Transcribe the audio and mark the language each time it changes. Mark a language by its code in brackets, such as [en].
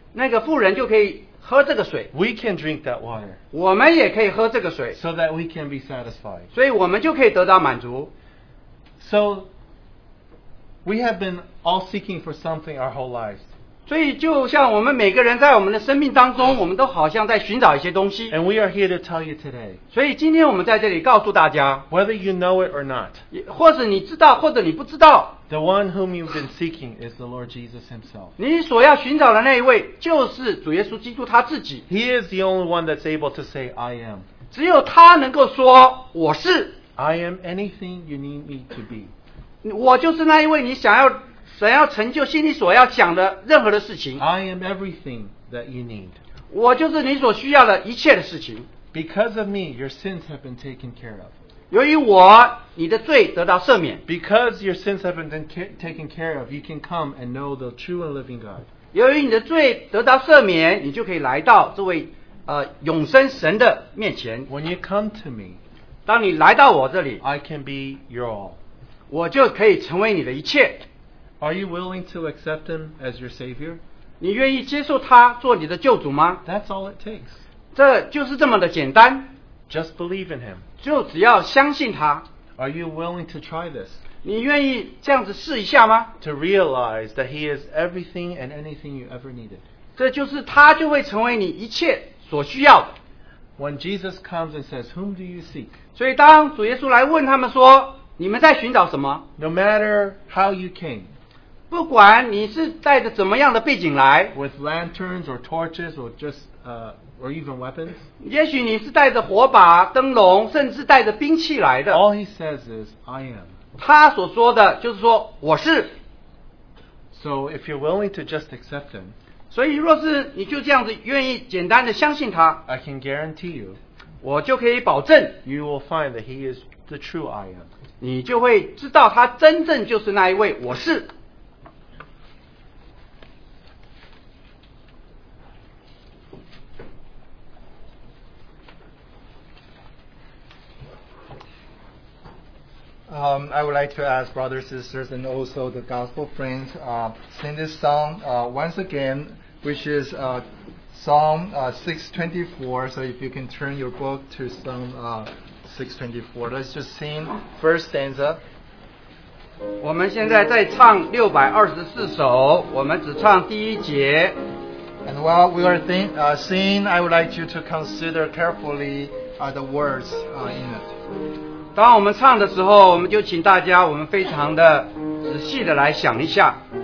[zh] 那个妇人就可以喝这个水 [en] We can drink that water [zh] 我们也可以喝这个水 [en] So that we can be satisfied [zh] 所以我们就可以得到满足 [en] So We have been all seeking for something our whole lives [zh] 所以就像我们每个人在我们的生命当中我们都好像在寻找一些东西 [en] And we are here to tell you today [zh] 所以今天我们在这里告诉大家 [en] Whether you know it or not [zh] 或者你知道或者你不知道 [en] The one whom you've been seeking is the Lord Jesus himself. [zh] 你所要寻找的那一位就是主耶稣基督他自己。 [en] He is the only one that's able to say, I am. [zh] 只有他能够说我是。 [en] I am anything you need me to be. [zh] 我就是那一位你想要神要成就心里所要想的任何的事情。 [en] I am everything that you need. [zh] 我就是你所需要的一切的事情。 [en] Because of me, your sins have been taken care of. [zh] 由于我你的罪得到赦免 [en] Because your sins have been taken care of You can come and know the true and living God [zh] 由于你的罪得到赦免你就可以来到这位永生神的面前 [en] When you come to me [zh] 当你来到我这里 [en] I can be your all [zh] 我就可以成为你的一切 [en] Are you willing to accept him as your savior? [zh] 你愿意接受他做你的救主吗 [en] That's all it takes [zh] 这就是这么的简单 [en] Just believe in him [zh] 就只要相信他 [en] Are you willing to try this? [zh] 你愿意这样子试一下吗 [en] To realize that he is everything and anything you ever needed [zh] 这就是他就会成为你一切所需要的 [en] When Jesus comes and says, whom do you seek? [zh] 所以当主耶稣来问他们说你们在寻找什么 [en] No matter how you came [zh] 不管你是带着怎么样的背景来 [en] With lanterns or torches or just Or even weapons. [zh] 也许你是带着火把、灯笼，甚至带着兵器来的。 [en] All he says is, I am. [zh] 他所说的就是说我是。 [en] So if you're willing to just accept him, [zh] 所以若是你就这样子愿意简单的相信他 [en] I can guarantee you, [zh] 我就可以保证 [en] you will find that he is the true I am. [zh] 你就会知道他真正就是那一位我是。 [en] I would like to ask brothers, sisters, and also the gospel friends, sing this song once again, which is Psalm 624. So if you can turn your book to Psalm 624, let's just sing first stanza. [zh] 我们现在在唱624首，我们只唱第一节。 [en] And while we are singing, I would like you to consider carefully the words in it. [zh] 当我们唱的时候，我们就请大家，我们非常的仔细的来想一下。